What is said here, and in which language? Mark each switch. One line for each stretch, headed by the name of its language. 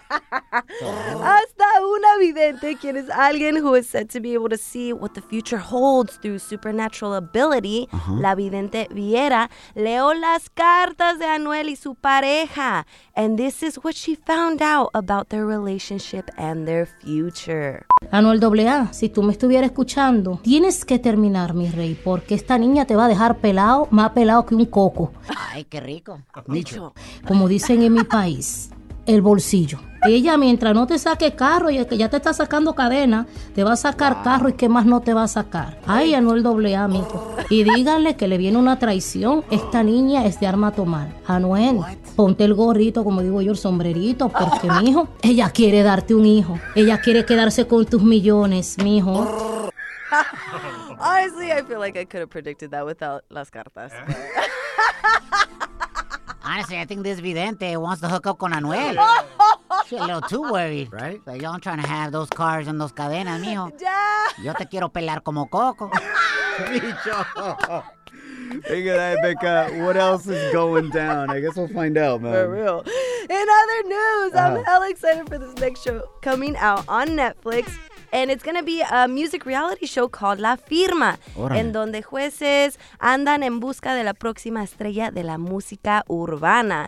Spanish: Hasta una vidente, quien es alguien
English: who is said to be able to see what the future holds through supernatural ability,
Spanish: la vidente Viera, leo las cartas de Anuel y su pareja.
English: And this is what she found out about their relationship and their future.
Spanish: Anuel AA, si tú me estuvieras escuchando, tienes que terminar, mi rey, porque esta niña te va a dejar pelado, más pelado que un coco. Ay, qué rico. Nicho. Como dicen en mi país, el bolsillo. Ella, mientras no te saque carro, y es que ya te está sacando cadena, te va a sacar carro y qué más no te va a sacar. Ay, Anuel AA, amigo. Y díganle que le viene una traición. Esta niña es de arma a tomar. Anuel, ponte el gorrito, como digo yo, el sombrerito, porque, mijo, ella quiere darte un hijo. Ella quiere quedarse con tus millones, mijo.
English: Honestly, I feel like I could have predicted that without
Spanish: las cartas.
English: Honestly, I think this vidente wants to hook up con Anuel. She's a little too worried. Right? So y'all trying to have those cars and those cadenas, mijo. Yeah.
Spanish: Yo te quiero pelar como coco.
English: Micho. Hey, good night, Becca. What else is going down? I guess we'll find out, man. For real. In other news, I'm hella excited for this next show coming out on Netflix. And it's going to be a music reality show called La Firma, Orale.
Spanish: En donde jueces andan en busca de la próxima estrella de la música urbana.